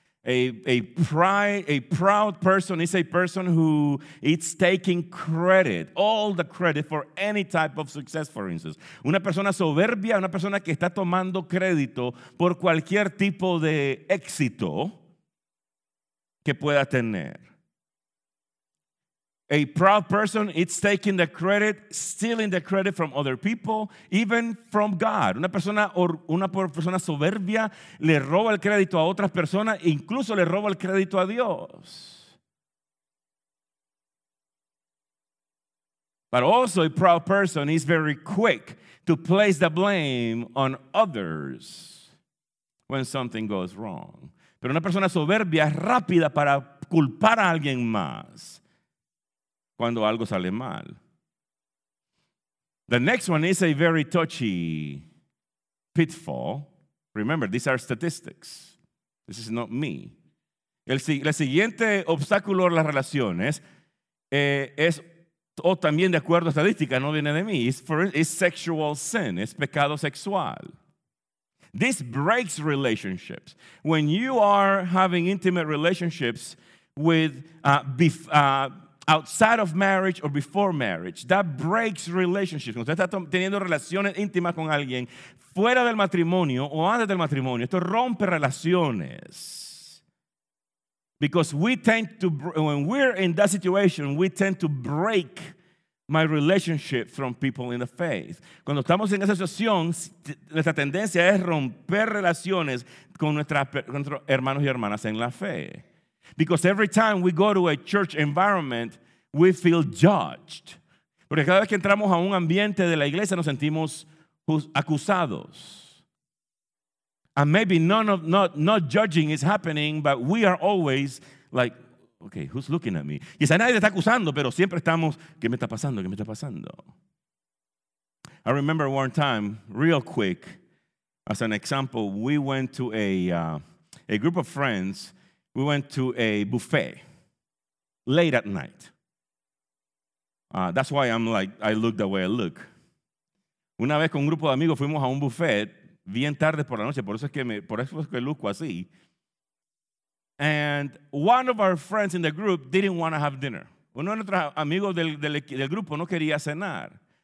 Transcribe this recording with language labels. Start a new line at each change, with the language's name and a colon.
English: A proud person is a person who is taking credit, all the credit for any type of success, for instance.
Spanish: Una persona soberbia, una persona que está tomando crédito por cualquier tipo de éxito que pueda tener.
English: A proud person, it's taking the credit, stealing the credit from other people, even from God.
Spanish: Una persona soberbia le roba el crédito a otras personas, incluso le roba el crédito a Dios.
English: But also a proud person is very quick to place the blame on others when something goes wrong.
Spanish: Pero una persona soberbia es rápida para culpar a alguien más cuando algo sale mal.
English: The next one is a very touchy pitfall. Remember, these are statistics. This is not me.
Spanish: El siguiente obstáculo a las relaciones es también de acuerdo a estadística, no viene de mí.
English: It's sexual sin,
Spanish: es pecado sexual.
English: This breaks relationships. When you are having intimate relationships outside of marriage or before marriage, that breaks relationships.
Spanish: Cuando usted está teniendo relaciones íntimas con alguien fuera del matrimonio o antes del matrimonio, esto rompe relaciones.
English: Because when we're in that situation, we tend to break my relationship from people in the faith.
Spanish: Cuando estamos en esa situación, nuestra tendencia es romper relaciones con nuestros hermanos y hermanas en la fe.
English: Because every time we go to a church environment, we feel judged.
Spanish: Porque cada vez que entramos a un ambiente de la iglesia, nos sentimos acusados.
English: And maybe not judging is happening, but we are always like, okay, who's looking at me?
Spanish: Y si nadie te está acusando, pero siempre estamos, ¿qué me está pasando? ¿Qué me está pasando?
English: I remember one time, real quick, as an example, we went to a group of friends. We went to a buffet late at night. That's why I'm like, I look the way I look.
Spanish: Una vez con un grupo de amigos fuimos a un buffet bien tarde por la noche, por eso es que luzco así.
English: And one of our friends in the group didn't want to have dinner.
Spanish: Uno de nuestros amigos del grupo no quería cenar.